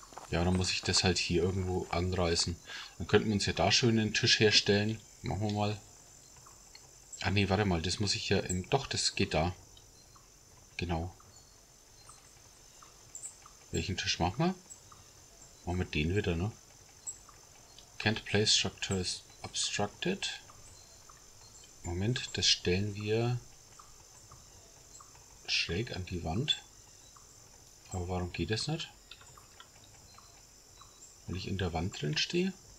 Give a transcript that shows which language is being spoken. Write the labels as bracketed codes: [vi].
[de] Ja, dann muss ich das halt hier irgendwo anreißen. Dann könnten wir uns ja da schön einen Tisch herstellen. Machen wir mal. Ah nee, warte mal. Das muss ich ja im... Doch, das geht da. Genau. Welchen Tisch machen wir? Machen wir den wieder, ne? [en] Can't place structure is obstructed. [de] Moment, das stellen wir schräg an die Wand. Aber warum geht das nicht? Weil ich in der Wand drin stehe?